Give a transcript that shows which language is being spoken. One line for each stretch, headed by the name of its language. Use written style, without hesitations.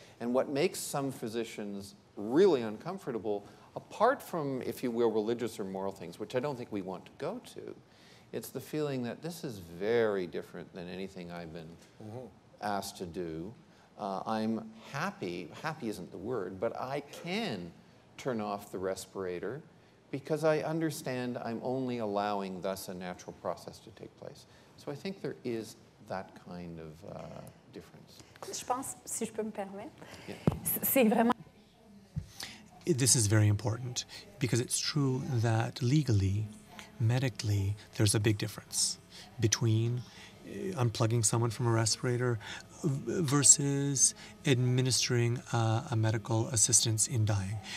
English: And what makes some physicians really uncomfortable, apart from, if you will, religious or moral things, which I don't think we want to go to, it's the feeling that this is very different than anything I've been asked to do. I'm happy, happy isn't the word, but I can turn off the respirator because I understand I'm only allowing thus a natural process to take place. So I think there is that kind of difference.
French: Je pense, si je peux me permettre, c'est vraiment...
English: This is very important because it's true that legally, medically, there's a big difference between unplugging someone from a respirator versus administering a medical assistance in dying.